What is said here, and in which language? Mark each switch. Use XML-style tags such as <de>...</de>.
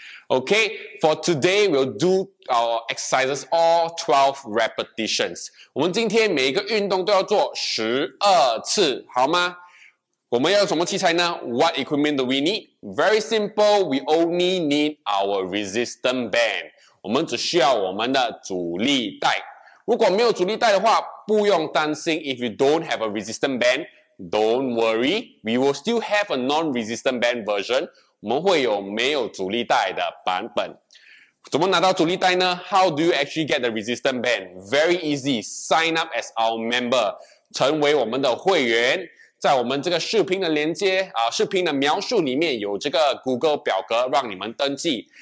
<en>Okay, for today, we'll do our exercises all 12 repetitions.</en> <zh>我们今天每一个运动都要做12次，好吗？我们要什么器材呢？</zh> <en>What equipment do we need? Very simple, we only need our resistance band.</en> <zh>我们只需要我们的阻力带。如果没有阻力带的话，不用担心。</zh> <en>If you don't have a resistant band, don't worry. We will still have a non-resistant band version.</en> <zh>我们会有没有阻力带的版本。怎么拿到阻力带呢？</zh> <en>How do you actually get the resistant band? Very easy. Sign up as our member.</en> <zh>成为我们的会员。在我们这个视频的连接啊，视频的描述里面有这个 Google 表格让你们登记。</zh>